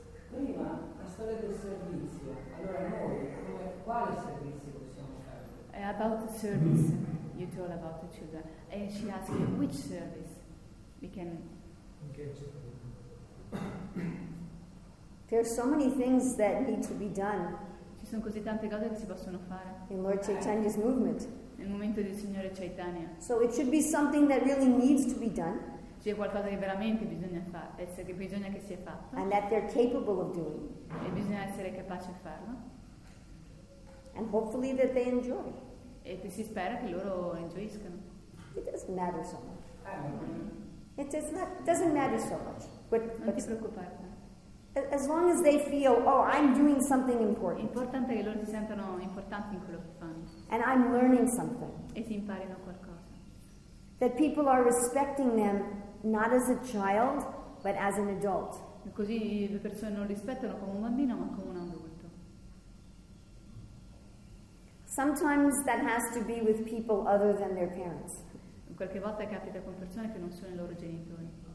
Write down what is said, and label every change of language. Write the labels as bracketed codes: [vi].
[it] Prima, la storia del servizio. Allora noi, come, quale servizio possiamo fare? [en] About the service, you told about the children. And she asked me, which service we can... There are so many things that need to be done. [it] Ci sono così tante cose che si possono fare. [en] In Lord Chaitanya's movement. [it] Nel movimento del Signore Chaitanya. [en] So it should be something that really needs to be done. [it] C'è qualcosa che veramente bisogna fare, essere che bisogna che sia fatto. [en] And that they're capable of doing. [it] E bisogna essere capaci a farlo. [en] And hopefully that they enjoy. [it] E che si spera che loro enjoyiscano. [en] It doesn't matter so much. It doesn't matter so much. [it] Non ti preoccupare. [en] As long as they feel, oh, I'm doing something important. [it] Importante che loro si sentano importanti in quello che fanno. [en] And I'm learning something. [it] E si imparino qualcosa. [en] That people are respecting them not as a child, but as an adult. [it] E così le persone non rispettano come un bambino, ma come un adulto. [en] Sometimes that has to be with people other than their parents. [it] Qualche volta capita con persone che non sono i loro genitori.